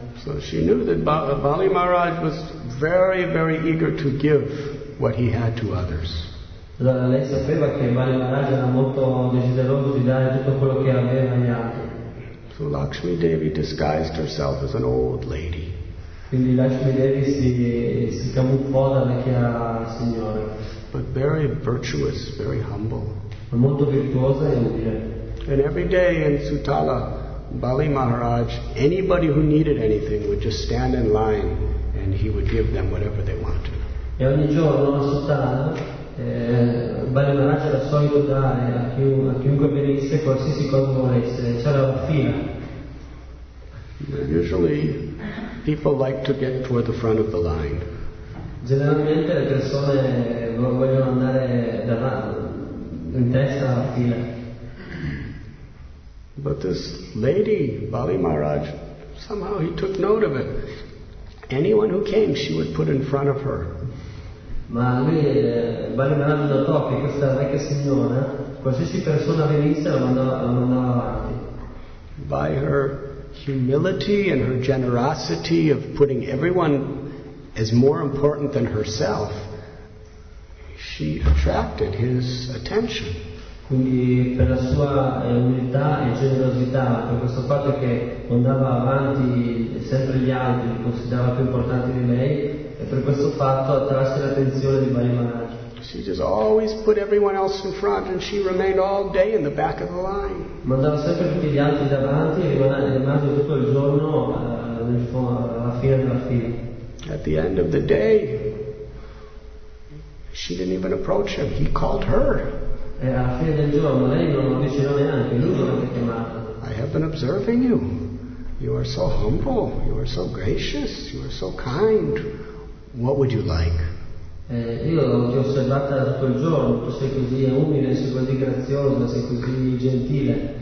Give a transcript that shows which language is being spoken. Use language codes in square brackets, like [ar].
[en] So she knew that Bali Maharaj was very, very eager to give what he had to others. [it] Lei sapeva che Bali Maharaj era molto desideroso di dare tutto quello che aveva agli altri. [en] So Lakshmi Devi disguised herself as an old lady. [it] Quindi Lakshmi Devi si camuffò da vecchia signora. [en] But very virtuous, very humble. [it] Ma molto virtuosa e umile. [en] And every day in Sutala, Bali Maharaj, anybody who needed anything would just stand in line and he would give them whatever they wanted. [it] E ogni giorno a Sutala, Bali Maharaj era solito dare a chiunque venisse qualsiasi cosa volesse. C'era la fila. [en] Usually people like to get toward the front of the line. [it] Generalmente le persone vogliono andare davanti, in testa alla fila. [en] But this lady, Bali Maharaj, somehow he took note of it. Anyone who came, she would put in front of her. [it] Ma lui, Bali Maharaj notò che questa vecchia signora, qualsiasi persona venisse, la mandava avanti. [en] By her humility and her generosity of putting everyone as more important than herself, she attracted his attention. [it] Quindi per la sua umiltà e generosità, per questo fatto che andava avanti sempre gli altri, li considerava più importanti di lei, e per questo fatto attrasse l'attenzione di Bali Maharaj. [en] She just always put everyone else in front and she remained all day in the back of the line. [it] Mandava sempre tutti gli altri davanti e rimaneva tutto il giorno alla fine della fila. [en] At the end of the day, she didn't even approach him. He called her. [it] E alla fine del giorno lei non lo avvicinò neanche, lui non l'ha chiamata. [en] I have been observing you. You are so humble, you are so gracious, you are so kind. What would you like? [it] Io ti ho osservata tutto il giorno, tu sei così umile, sei così graziosa, sei così gentile.